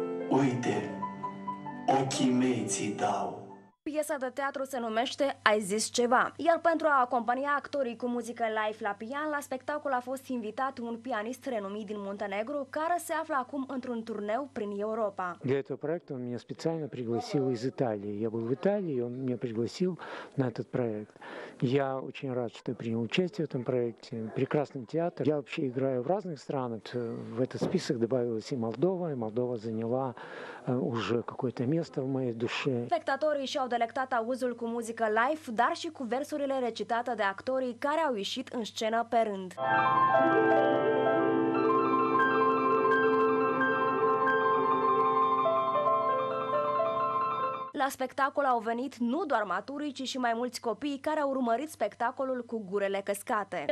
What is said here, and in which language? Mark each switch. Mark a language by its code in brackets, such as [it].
[ro] Uite, ochii mei ți-i dau. Piesa de teatru se numește Ai zis ceva, iar pentru a acompania actorii cu muzică live la pian, la spectacol a fost invitat un pianist renumit din Muntenegru, care se află acum într-un turneu prin Europa. [ru] Для этого проекта он меня специально пригласил из Италии. Я был в Италии, он меня пригласил на этот проект. Я очень рад, что принял участие в этом проекте. Прекрасный театр. Я вообще играю в разных странах. В этот список добавилась и Молдова, и Молдова заняла уже какое-то место в моей душе. [ro] Spectatorii și-au delectat auzul cu muzică live, dar și cu versurile recitate de actorii care au ieșit în scenă pe rând. La spectacol au venit nu doar maturii, ci și mai mulți copii care au urmărit spectacolul cu gurele căscate.